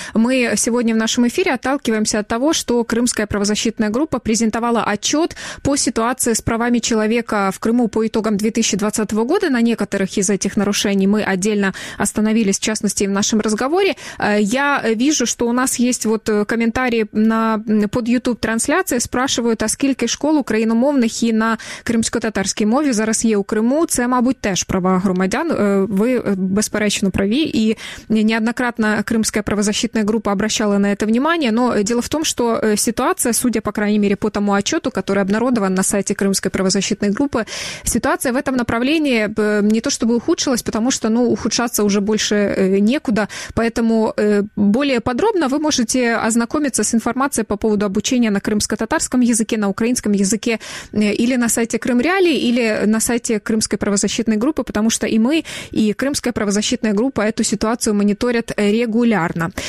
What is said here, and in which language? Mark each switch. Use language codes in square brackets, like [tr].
[ru] Мы сегодня в нашем эфире отталкиваемся от того, что Крымская правозащитная группа презентовала отчет по ситуации с правами человека в Крыму по итогам 2020 года. На некоторых из этих нарушений мы отдельно остановились, в частности, в нашем разговоре. Я вижу, что у нас есть вот комментарии под YouTube-трансляцией. Спрашивают, [uk] а скільки школ україномовних і на кримсько-татарській мові зараз є у Криму? Це, мабуть, теж права громадян. Ви безперечно праві, і [ru] неоднократно Кримська правозащитна група обращала на це внимание. Но дело в том, что ситуация, судя по крайней мере по тому отчету, который обнародован на сайте Крымской правозащитной группы, ситуация в этом направлении не то чтобы ухудшилась, потому что, ну, ухудшаться уже больше некуда. Поэтому более подробно вы можете ознакомиться с информацией по поводу обучения на крымско-татарском языке, на украинском языке или на сайте Крымреалии, или на сайте Крымской правозащитной группы, потому что и мы, и Крымская правозащитная группа эту ситуацию мониторят регулярно.